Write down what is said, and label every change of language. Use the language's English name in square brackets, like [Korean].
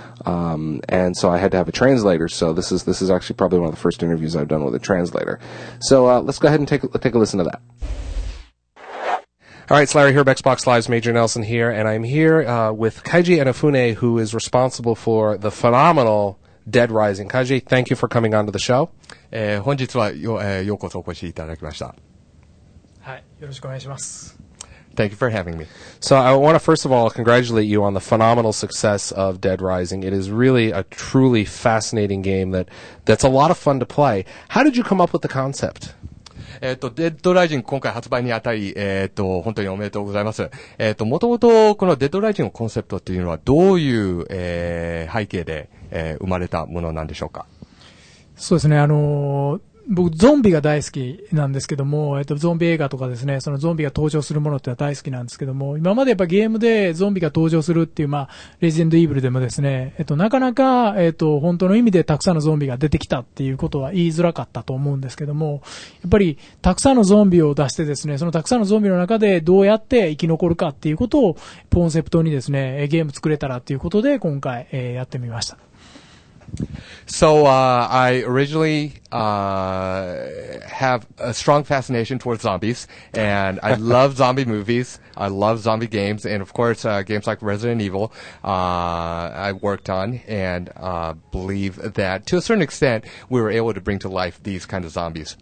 [English] And so I had to have a translator. So this is actually probably one of the first interviews I've done with a translator. So, let's go ahead and take a listen to that. All right, it's Larry Herb, Xbox Live's Major Nelson here, and I'm here with Kaiji Inafune, who is responsible for the phenomenal Dead Rising. Kaiji, thank you for coming on to the show. [Japanese] 本日はよ、ようこそお越しいただきました。はい、よろしくお願いします。 [English] Thank you for having me. So I want to first of all congratulate you on the phenomenal success of Dead Rising. It is really a truly fascinating game that's a lot of fun to play. How did you come up with the concept? [Japanese] デッドライジング今回発売にあたり、本当におめでとうございます。もともとこのデッドライジングのコンセプトというのはどういう、背景で、生まれたものなんでしょうか。そうですね、僕ゾンビが大好きなんですけども、ゾンビ映画とかですね、そのゾンビが登場するものってのは大好きなんですけども、今までやっぱゲームでゾンビが登場するっていう、まあ、レジェンドイーブルでもですね、なかなか、本当の意味でたくさんのゾンビが出てきたっていうことは言いづらかったと思うんですけども、やっぱりたくさんのゾンビを出してですね、そのたくさんのゾンビの中でどうやって生き残るかっていうことをコンセプトにですね、ゲーム作れたらっていうことで今回、やってみました。 [English] So, I originally, have a strong fascination towards zombies, and I love zombie movies, I love zombie games, and of course, games like Resident Evil, I worked on, and, believe that to a certain extent, we were able to bring to life these kind of zombies.